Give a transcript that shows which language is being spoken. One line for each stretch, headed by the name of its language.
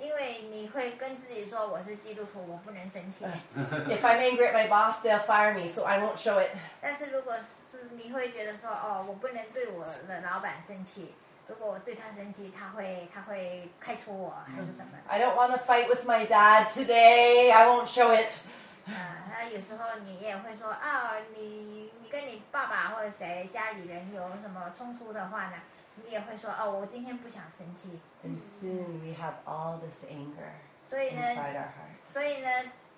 Chinese: 因为你会跟自己说我是基督徒，我不能生气。
English: If I'm angry at my boss, they'll fire me, so I won't show it.
Chinese: 但是如果是你会觉得说哦，我不能对我的老板生气。如果我对他生气，他会开除我还是什么？
English: I don't want to fight with my dad today. I won't show it.
Chinese: 那有时候你也会说啊，你跟你爸爸或者谁家里人有什么冲突的话呢？你也会说哦，我今天不想生气。
English: And soon we have all this anger inside our heart.